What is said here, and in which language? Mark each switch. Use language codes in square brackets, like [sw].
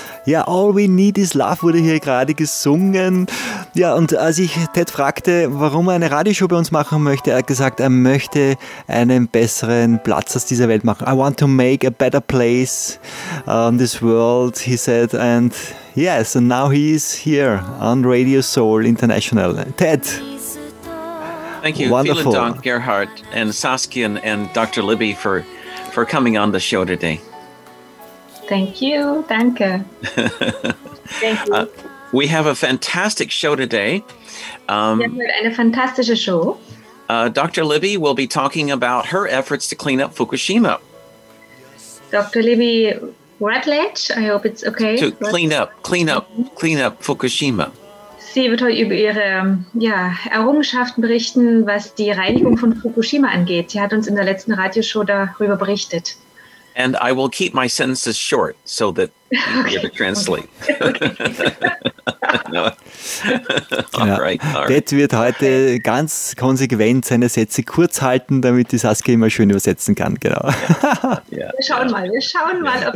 [de] Ja, All We Need Is Love wurde hier gerade gesungen. Ja, und als ich Ted fragte, warum er eine Radioshow bei uns machen möchte, er hat gesagt, er möchte einen besseren Platz aus dieser Welt machen. [en] I want to make a better place on this world, he said. And yes, and now he is here on Radio Soul International. Ted! Thank you. Wonderful. [de] Vielen Dank, [en] Gerhard and Saskia and Dr. Libby for coming on the show today. Thank you. [de] Danke. [en] Thank you. We have a fantastic show today. [de] Eine fantastische Show. [en] Dr. Libby will be talking about her efforts to clean up Fukushima. Dr. Libby Rutledge, I hope it's okay. To clean up Fukushima. [de] Sie wird heute über ihre Errungenschaften berichten, was die Reinigung von Fukushima angeht. Sie hat uns in der letzten Radioshow darüber berichtet. [en] And I will keep my sentences short, so that you can okay. Translate. Okay. All right. [de] Ted wird heute ganz konsequent seine Sätze kurz halten, damit die Saskia immer schön übersetzen kann. Genau. [en] Yeah. [de] Wir schauen mal, ob es gelingt.